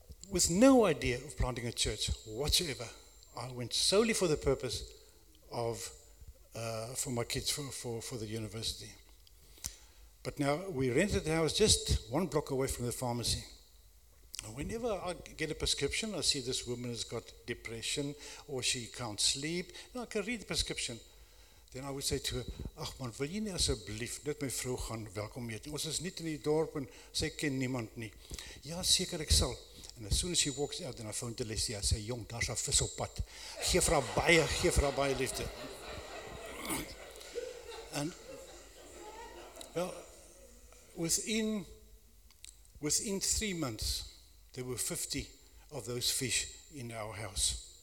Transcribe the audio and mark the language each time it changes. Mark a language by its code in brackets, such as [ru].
[en] With no idea of planting a church whatsoever, I went solely for the purpose of for my kids for the university. But now we rented a house just one block away from the pharmacy. Whenever I get a prescription, I see this woman has got depression or she can't sleep, and I can read the prescription. Then I would say to her, [af] "Ach man, wil jy nie asseblief net my vrou gaan welkom eet? Ons is nie in die dorp en sy ken niemand nie." Ja, seker ek sal. [en] And as soon as she walks out, then I phone to Lissy, I say, [af] "Jong, daar's 'n vis op pad. Geef haar baie liefde." [en] And well, within 3 months, there were 50 of those fish in our house.